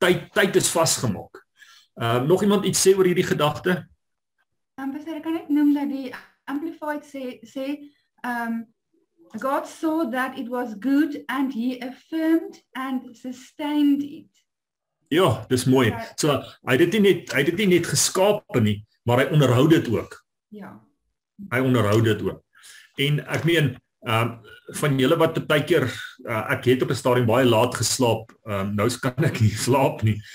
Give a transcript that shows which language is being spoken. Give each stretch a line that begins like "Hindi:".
Afrikaans: Tyd is vastgemaak. Nog iemand iets sê oor hierdie gedagte? Ek kan net noem dat die Amplified sê,
English: God saw that it was good and he affirmed and sustained it.
Afrikaans: Ja, dis mooi. So, hy het dit nie net geskape nie, maar hy onderhou dit ook. Ja. Hy onderhou dit ook. En ek meen, van julle wat partykeer, ek het op 'n stadium baie laat geslaap, nou kan ek nie slaap nie.